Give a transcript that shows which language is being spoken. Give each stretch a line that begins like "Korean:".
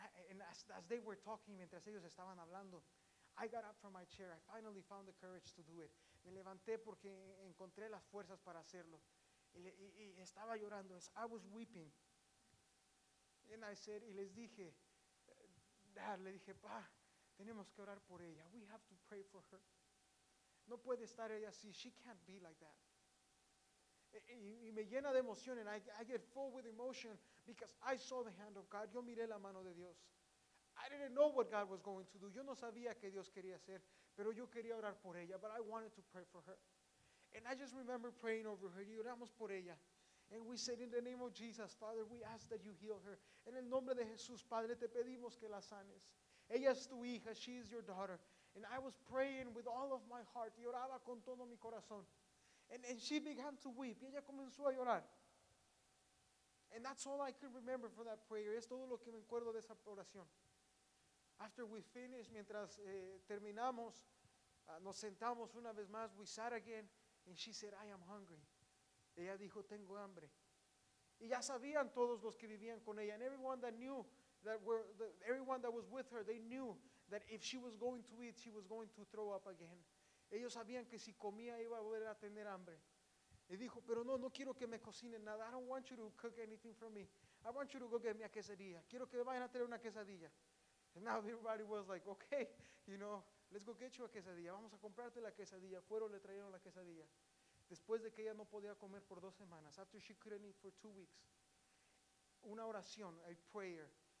English: And as they were talking,
Spanish: mientras ellos estaban hablando,
English: I got up from my chair, I finally found the courage to do it.
Spanish: Me levanté porque encontré las fuerzas para hacerlo. Y estaba llorando,
English: as I was weeping. And I said,
Spanish: y les dije, Dad, le dije, Pa, tenemos que orar por ella.
English: We have to pray for her.
Spanish: No puede estar ella así.
English: She can't be like that.
Spanish: Y me llena de emoción,
English: and I get full with emotion because I saw the hand of God.
Spanish: Yo miré la mano de Dios.
English: I didn't know what God was going to do.
Spanish: Yo no sabía qué Dios quería hacer, pero yo quería orar por ella.
English: But I wanted to pray for her. And I just remember praying over her.
Spanish: Y oramos por ella.
English: And we said, in the name of Jesus, Father, we ask that you heal her.
Spanish: En el nombre de Jesús, Padre, te pedimos que la sanes. Ella es tu hija,
English: she is your daughter. And I was praying with all of my heart.
Spanish: Y oraba con todo mi corazón.
English: And she began to weep.
Spanish: Y ella comenzó a llorar.
English: And that's all I could remember from that prayer.
Spanish: Es todo lo que me acuerdo de esa oración.
English: After we finished,
Spanish: mientras terminamos, nos sentamos una vez más.
English: We sat again. And she said, I am hungry.
Spanish: Ella dijo, tengo hambre. Y ya sabían todos los que vivían con ella.
English: And everyone that knew, everyone that was with her, they knew that if she was going to eat, she was going to throw up again.
Spanish: Ellos sabían que si comía iba a volver a tener hambre. Y dijo, pero no quiero que me cocinen nada.
English: I don't want you to cook anything for me. I want you to go get me a quesadilla.
Spanish: Quiero que vayan a tener una quesadilla.
English: And now everybody was like, okay, you know, let's go get you a quesadilla.
Spanish: Vamos a comprarte la quesadilla. Fueron, le trajeron la quesadilla. Después de que ella no podía comer por 2 semanas,
English: after she couldn't eat for 2 weeks,
Spanish: una oración,
English: a prayer.